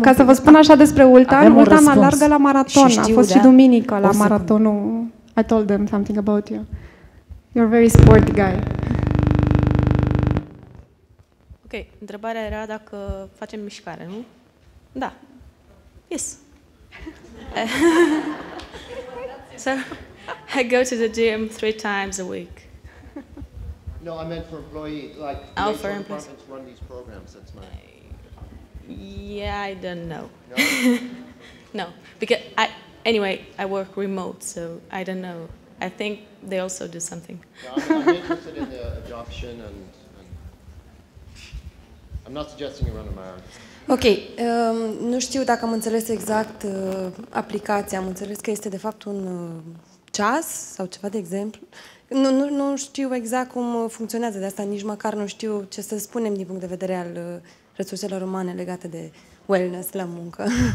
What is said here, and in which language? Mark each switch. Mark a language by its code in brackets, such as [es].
[ro] Ca să vă spun așa despre Ultan, Ultan alargă la maraton. A fost și duminică la maratonul. [en] I told them something about you. You're a very sporty guy. [ro] Ok, întrebarea era dacă facem mișcare, nu? Da. [en] Yes. So, I go to the gym 3 times a week. No, I meant for employee, like the HR departments run these programs, that's my... Yeah, I don't know. No. No, because I anyway, I work remote, so I don't know. I think they also do something. No, I'm interested in the adoption and I'm not suggesting you run a marathon. [ro] Ok, nu știu dacă am înțeles exact aplicația. Am înțeles că este de fapt un ceas sau ceva de exemplu. Nu știu exact cum funcționează, de asta nici măcar nu știu ce să spunem din punct de vedere al resurselor umane legate de wellness la muncă.